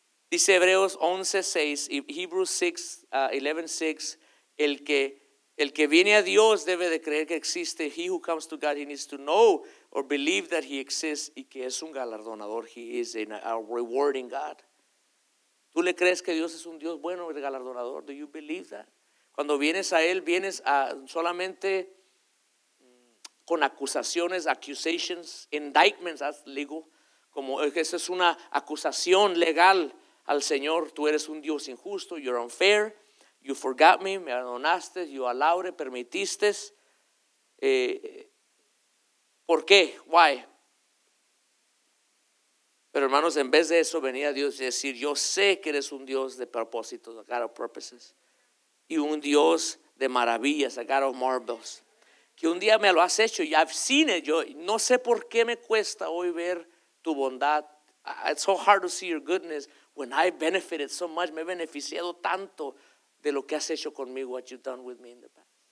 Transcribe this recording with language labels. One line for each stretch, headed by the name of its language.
Spanish: Dice Hebreos 11:6 y Hebrews 11:6, el que viene a Dios debe de creer que existe.
English: He who comes to God, he needs to know or believe that he exists
Spanish: y que es un galardonador.
English: He is a rewarding God.
Spanish: ¿Tú le crees que Dios es un Dios bueno y galardonador?
English: Do you believe that?
Spanish: Cuando vienes a Él, vienes a solamente con acusaciones,
English: accusations, indictments, that's legal.
Spanish: Como esa es una acusación legal. al Señor, tú eres un Dios injusto,
English: you're unfair, you forgot me,
Spanish: me abandonaste,
English: you allowed it,
Spanish: permitiste. ¿Por qué?
English: Why?
Spanish: Pero hermanos, en vez de eso venía Dios y decir, yo sé que eres un Dios de propósitos,
English: a God of purposes,
Spanish: y un Dios de maravillas,
English: a God of marvels,
Spanish: que un día me lo has hecho, y
English: I've seen it,
Spanish: yo no sé por qué me cuesta hoy ver tu bondad.
English: It's so hard to see your goodness when I benefited so much,
Spanish: me he beneficiado tanto de lo que has hecho conmigo,
English: what you've done with me in the past.